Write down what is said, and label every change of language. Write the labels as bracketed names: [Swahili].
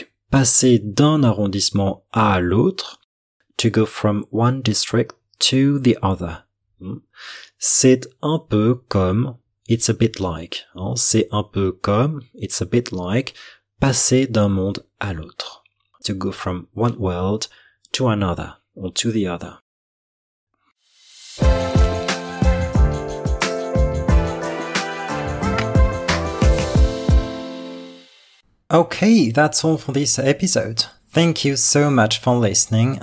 [French] Passer d'un arrondissement à l'autre. [English] To go from one district to the other. [French] C'est un peu comme, [English] it's a bit like. [French] C'est un peu comme, [English] it's a bit like, [French] passer d'un monde à l'autre. [English] To go from one world to another, or to the other. Okay, that's all for this episode. Thank you so much for listening.